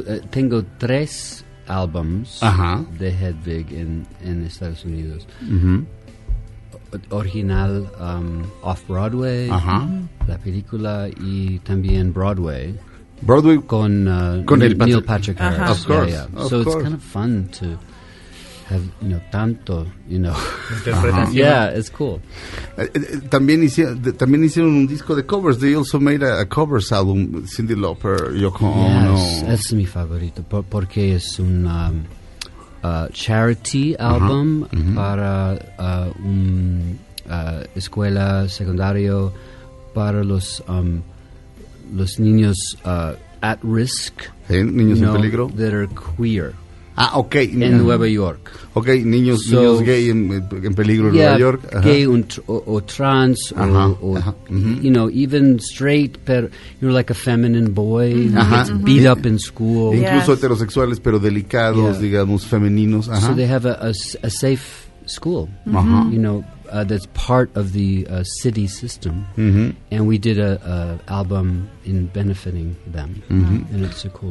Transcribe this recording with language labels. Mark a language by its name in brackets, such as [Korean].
[Spanish] Tengo tres álbums de Hedwig en Estados Unidos. Uh-huh. Original Off-Broadway, la película, y también Broadway. Broadway con Neil Patrick Harris. [English] Of course. Yeah, yeah. So of course. It's kind of fun to have, you know, tanto, you know. [Spanish] Interpretación. Uh-huh. [English] Yeah, it's cool. [Spanish] También hicieron un disco de covers. [English] They also made a covers album, Cyndi Lauper, Yoko Ono. [Spanish] Yes, es mi favorito, porque es un charity album para una escuela secundaria para los niños at risk. ¿Sí? ¿Niños en peligro? [English] That are queer. Ah, ok. [Spanish] En Nueva York. Ok, niños gay en peligro en Nueva York. Ajá. Gay o trans. Ajá. [English] O you know, even straight, pero you're like a feminine boy. Ajá. Gets beat up in school. [Spanish] Incluso heterosexuales, pero delicados, digamos, femeninos. Ajá. [English] So they have a safe school. Ajá. You know, that's part of the city system, and we did a album in benefiting them, and it's a cool.